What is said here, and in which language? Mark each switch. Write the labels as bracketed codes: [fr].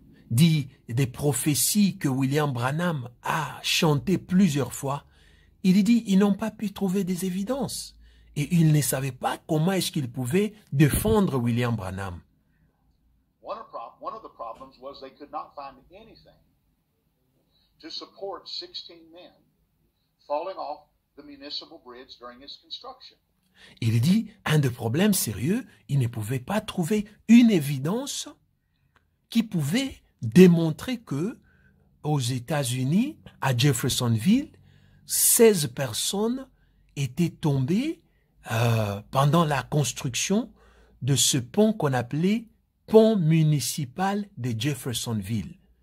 [fr] Dit des prophéties que William Branham a chantées plusieurs fois, il dit ils n'ont pas pu trouver des évidences et ils ne savaient pas comment est-ce qu'ils pouvaient défendre William Branham. [en] One of the problems was they could not find anything to support 16 men falling off the municipal bridge during its construction. [fr] Il dit, un des problèmes sérieux, il ne pouvait pas trouver une évidence qui pouvait démontrer que, aux États-Unis, à Jeffersonville, 16 personnes étaient tombées pendant la construction de ce pont qu'on appelait pont municipal de Jeffersonville.